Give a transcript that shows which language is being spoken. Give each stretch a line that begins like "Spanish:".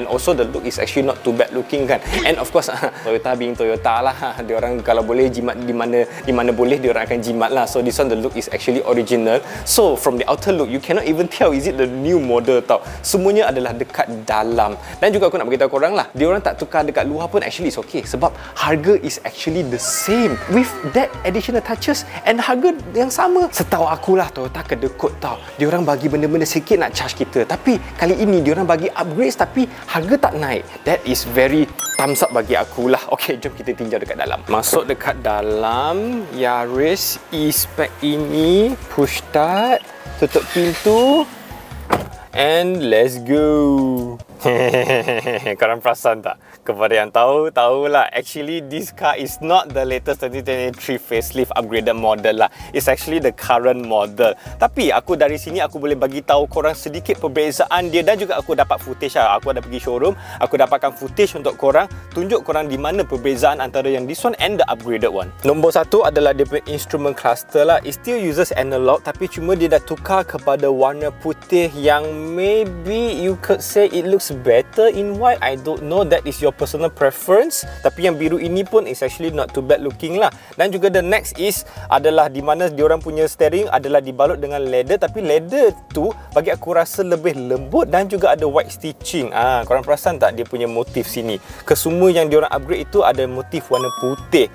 English: And also the look is actually not too bad looking kan. And of course, Toyota being Toyota lah,
Malay: diorang kalau boleh jimat di mana boleh, diorang akan jimat lah.
English: So this one the look is actually original. So from the outer look, you cannot even tell is it the new model tau.
Malay: Semuanya adalah dekat dalam. Dan juga aku nak beritahu korang lah, diorang tak tukar dekat luar pun
English: actually is okay,
Malay: sebab harga
English: is actually the same with that additional touches
Malay: and harga yang sama. Setahu akulah, Toyota kedekut tau. Diorang bagi benda-benda sikit nak charge kita, tapi kali ini diorang bagi upgrades tapi harga tak naik.
English: That is very thumbs up
Malay: bagi akulah. Okay, jom kita tinjau dekat dalam. Masuk dekat dalam Yaris e-spec ini, push start, tutup pintu
English: and let's go.
Malay: Korang perasan tak? Kepada yang tahu, tahulah.
English: Actually, this car is not the latest 2023 facelift upgraded model lah. It's actually the current model.
Malay: Tapi aku dari sini, aku boleh bagi tahu korang sedikit perbezaan dia. Dan juga aku dapat footage lah. Aku ada pergi showroom, aku dapatkan footage untuk korang, tunjuk korang di mana perbezaan antara yang
English: this one and the upgraded one.
Malay: Nombor satu adalah dia punya instrument cluster lah.
English: It still uses analog,
Malay: tapi cuma dia dah tukar kepada warna putih yang
English: maybe you could say it looks better in white. I don't know, that is your personal preference.
Malay: Tapi yang biru ini pun
English: is actually not too bad looking lah.
Malay: Dan juga the next is adalah di mana diorang punya steering adalah dibalut dengan leather, tapi leather tu bagi aku rasa lebih lembut dan juga ada white stitching. Ah, korang perasan tak dia punya motif sini? Kesemua yang diorang upgrade itu ada motif warna putih.